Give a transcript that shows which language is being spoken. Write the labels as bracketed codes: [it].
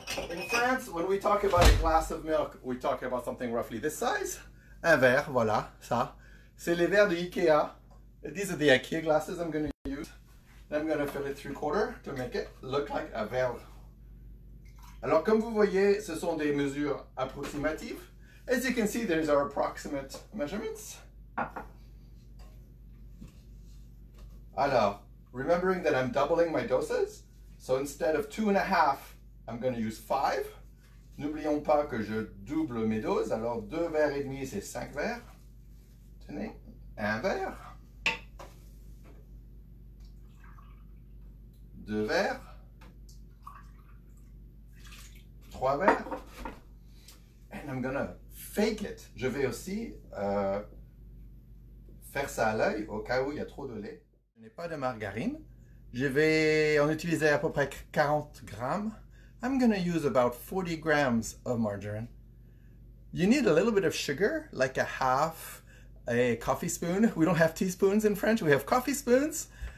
[en] In France, when we talk about a glass of milk, we talk about something roughly this size. [fr] Un verre, voilà, ça. C'est les verres de IKEA. [en] These are the IKEA glasses I'm going to use. Then I'm going to fill it three quarter to make it look like a verre. [fr] Alors, comme vous voyez, ce sont des mesures approximatives. [en] As you can see, these are approximate measurements. Alors, remembering that I'm doubling my doses, so instead of 2.5, I'm going to use 5. [fr] N'oublions pas que je double mes doses. Alors, 2 verres et demi, c'est 5 verres. Tenez, un verre. Deux verres. Trois verres. [en] And I'm going to fake it. [fr] Je vais aussi faire ça à l'œil au cas où il y a trop de lait. Je n'ai pas de margarine. Je vais en utiliser à peu près 40 grammes. [en] I'm going to use about 40 grams of margarine. You need a little bit of sugar, like a half a coffee spoon. We don't have teaspoons in French, we have coffee spoons.